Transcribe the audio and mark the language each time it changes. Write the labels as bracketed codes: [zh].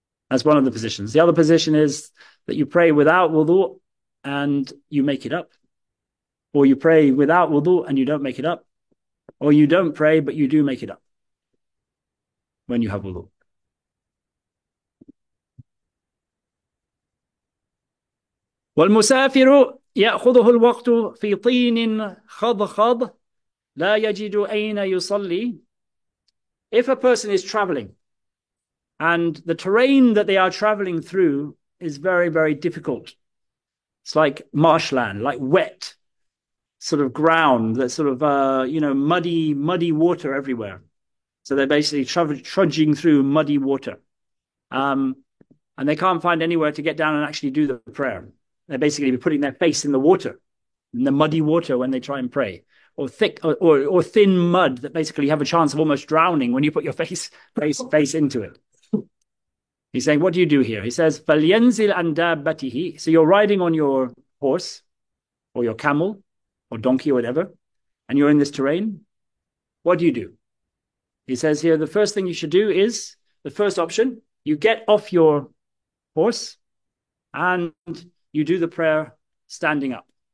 [en] That's one of the positions. The other position is that you pray without wudu and you make it up. Or you pray without wudu and you don't make it up. Or you don't pray, but you do make it up when you have wudu. [ar] والمسافر يأخذه الوقت في طين خضخض لا يجد أين يصلي. [en] If a person is traveling and the terrain that they are traveling through is very, very difficult. It's like marshland, like wet sort of ground that's sort of, you know, muddy water everywhere. So they're basically trudging through muddy water. And they can't find anywhere to get down and actually do the prayer. They're basically putting their face in the water, in the muddy water when they try and pray. Or thick or thin mud that basically you have a chance of almost drowning when you put your face into it. He's saying, what do you do here? He says, [ar] فَلْيَنْزِلْ عَنْ دَابَّتِهِ. [en] So you're riding on your horse or your camel or donkey or whatever, and you're in this terrain. What do you do? He says here, the first thing you should do is, the first option, you get off your horse and you do the prayer standing up.